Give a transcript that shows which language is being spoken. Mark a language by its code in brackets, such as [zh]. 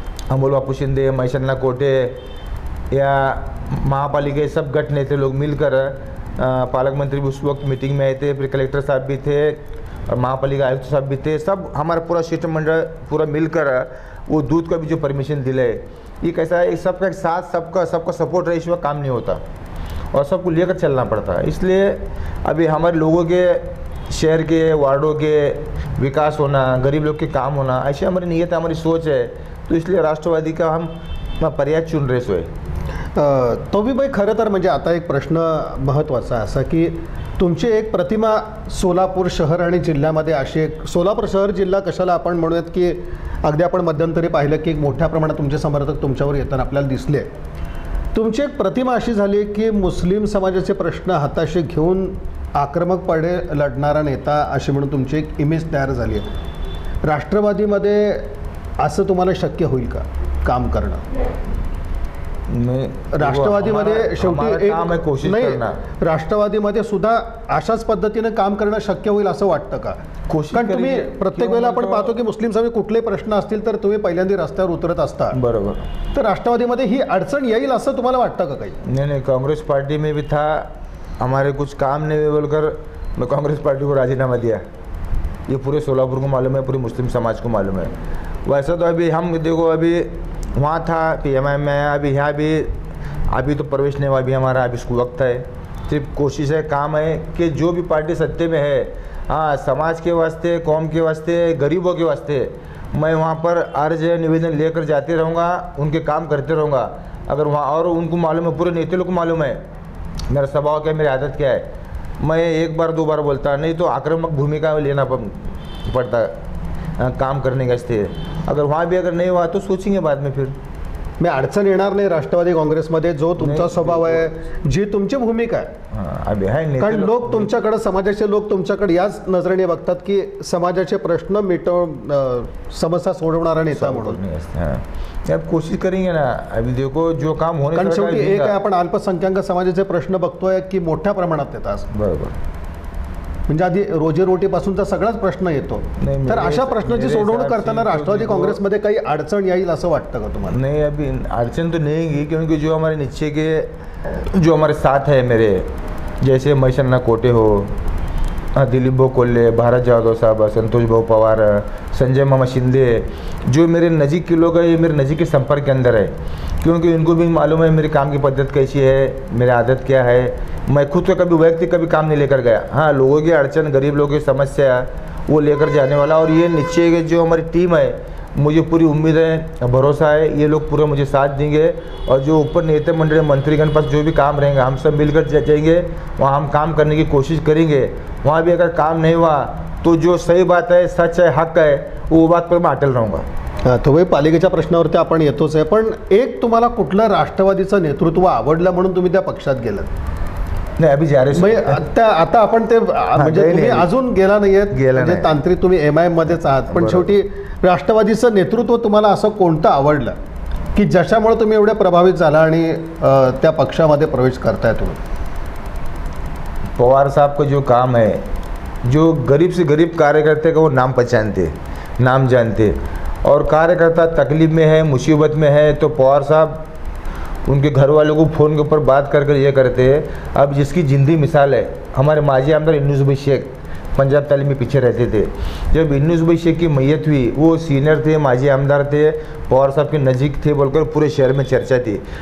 [hi] अमोल बापू शिंदे, महेशन्ना कोटे, या महापालिका, सब गट नेते लोग मिलकर, पालक मंत्री उस वक्त मीटिंग में आए थे, फिर कलेक्टर साहब भी थे और महापालिका आयुक्त साहब भी थे, सब हमारा पूरा शिष्टमंडल पूरा मिलकर वो दूध का भी जो परमिशन दिले, ये कैसा है, सबका एक साथ, सबका सपोर्ट रहे, इसमें काम नहीं होता और सबको लेकर चलना पड़ता है। इसलिए अभी हमारे लोगों के शहर के वार्डों के विकास होना, गरीब लोग के काम होना, ऐसी हमारी नीयत है, हमारी सोच है, तो इसलिए राष्ट्रवादी का हम पर्याय चुन रहे सोए। [mr] तो भी भाई खरं तर म्हणजे आता एक प्रश्न महत्त्वाचा आहे असा की तुमची एक प्रतिमा सोलापूर शहर आणि जिल्ह्यामध्ये अशी एक सोलापूर शहर जिल्हा कशाला आपण म्हणूयात की अगदी आपण मध्यंतरी पाहिलं की एक मोठ्या प्रमाणात तुमचे समर्थक तुमच्यावर येताना आपल्याला दिसले, तुमची एक प्रतिमा अशी झाली की मुस्लिम समाजाचे प्रश्न हाताशी घेऊन आक्रमकपणे लढणारा नेता अशी म्हणून तुमची एक इमेज तयार झाली आहे, राष्ट्रवादीमध्ये असं तुम्हाला शक्य होईल का काम करणं? राष्ट्रवादीमध्ये शेवटी एक काम आहे, कोशिश करणार, राष्ट्रवादीमध्ये सुद्धा अशाच पद्धतीने काम करणं शक्य होईल असं वाटतं का? कारण तुम्ही प्रत्येक वेळेला आपण पाहतो की मुस्लिम समाज कुठले प्रश्न असतील तर तुम्ही पहिल्यांदा रस्त्यावर उतरत असता, बरोबर, तर राष्ट्रवादीमध्ये ही अडचण येईल असं तुम्हाला वाटतं का काही? [hi] नाही नाही, काँग्रेस पार्टी में भी था, हमारे कुछ काम नाही बोलकर मैं काँग्रेस पार्टी को राजीनामा दिया, ये पूरे सोलापुर को मालूम है, पूरे मुस्लिम समाज को मालूम है। वैसा तो अभी हम देखो, अभी वहाँ था पी एम आई में आया, अभी यहाँ भी अभी तो प्रवेश नहीं हुआ, अभी हमारा अभी इसको वक्त है, सिर्फ कोशिश है, काम है कि जो भी पार्टी सत्ते में है, हाँ समाज के वास्ते, कौम के वास्ते, गरीबों के वास्ते, मैं वहाँ पर अर्ज निवेदन लेकर जाते रहूँगा, उनके काम करते रहूँगा। अगर वहाँ और उनको मालूम है, पूरे नेतृत्व को मालूम है मेरा स्वभाव क्या है, मेरी आदत क्या है, मैं एक बार दो बार बोलता, नहीं तो आक्रामक भूमिका लेना पड़ता काम करने के वास्ते। अगर वहाँ भी अगर नहीं हुआ तो सोचेंगे बाद में फिर। [mr] मैं अड़चण येणार नाही राष्ट्रवादी काँग्रेसमध्ये, जो तुमचा स्वभाव आहे, जी तुमची भूमिका आहे, कारण लोक तुमच्याकडे, समाजाचे लोक तुमच्याकडे याच नजरेने बघतात की समाजाचे प्रश्न मिटवून समस्या सोडवणारा नेता [hi] म्हणून कोशिश करेंगे ना। अभी देखो जो काम होणे, [mr] कारण शेवटी एक आहे, आपण अल्पसंख्याक समाजाचे प्रश्न बघतोय की मोठ्या प्रमाणात येतात, बरोबर, म्हणजे आधी रोजीरोटीपासूनचा सगळाच प्रश्न येतो, तर अशा प्रश्नाची सोडवणूक करताना राष्ट्रवादी काँग्रेसमध्ये काही अडचण येईल असं वाटतं का तुम्हाला? [hi] नाही, अभी अडचण तर नाही, कारण की जो हमारे नीचे के जो हमारे साथ है मेरे, जैसे मैशन्ना कोटे हो, दिलीप भाऊ कोल्हे, भारत जाधव साहब, संतोष भाऊ पवार, संजय मामा शिंदे, जो मेरे नजीक के लोग हैं, ये मेरे नजीक के संपर्क के अंदर है, क्योंकि इनको भी मालूम है मेरे काम की पद्धति कैसी है, मेरी आदत क्या है। मैं खुद का कभी व्यक्ति कभी काम नहीं लेकर गया, हाँ लोगों की अड़चन, गरीब लोगों की समस्या वो लेकर जाने वाला, और ये नीचे के जो हमारी टीम है, मुझे पूरी उम्मीद है, भरोसा है, ये लोग पूरे मुझे साथ देंगे, और जो ऊपर नेता मंडल मंत्रीगण पास जो भी काम रहेंगे, हम सब मिलकर जाएंगे वहाँ, हम काम करने की कोशिश करेंगे। वहाँ भी अगर काम नहीं हुआ तो जो सही बात है, सच है, हक है, वो बात पर मैं अटल रहूँगा। [mr] तो भाई पालिकेच्या प्रश्नावरती आपण येतोच आहे, पण एक तुम्हाला कुठलं राष्ट्रवादीचं नेतृत्व आवडलं म्हणून तुम्ही त्या पक्षात गेलात? आता आपण ते म्हणजे अजून गेला नाहीयेत, म्हणजे तांत्रिक तुम्ही एमआयएम मध्येच आहात, पण शेवटी राष्ट्रवादीचं नेतृत्व तुम्हाला असं कोणतं आवडलं की ज्याच्यामुळे तुम्ही एवढे प्रभावित झाला आणि त्या पक्षामध्ये प्रवेश करताय तुम्ही? [hi] पवार साहब का जो काम है, जो गरीब से गरीब कार्यकर्ते का वो नाम पहचानते, नाम जानते, और कार्यकर्ता तकलीफ में है, मुसीबत में है, तो पवार साहब उनके घर वालों को फ़ोन के ऊपर बात कर कर ये करते हैं। अब जिसकी जिंदी मिसाल है, हमारे माजी आमदार इन्नू सुबह शेख पंजाब ताली में पीछे रहते थे, जब इन्नू सुबह शेख की मैयत हुई, वो सीनियर थे, माजी आमदार थे, पवार साहब के नज़ीक थे बोलकर पूरे शहर में चर्चा थी।